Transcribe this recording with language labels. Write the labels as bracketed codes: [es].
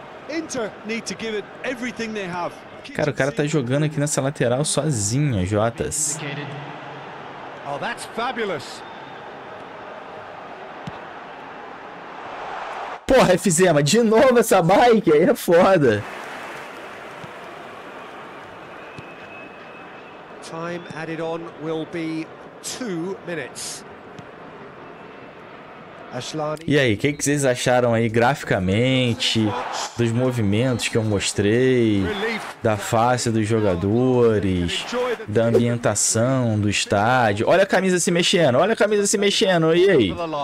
[en] Inter need to give it everything they have. [pt] Cara, o cara tá jogando aqui nessa lateral sozinho, Jotas. [en] Oh, that's fabulous. [pt] Porra, FZMA, de novo essa bike aí é foda. [en] Time added on will be 2 minutes. [pt] E aí, o que, que vocês acharam aí graficamente dos movimentos que eu mostrei, da face dos jogadores, da ambientação do estádio? Olha a camisa se mexendo, olha a camisa se mexendo, e aí?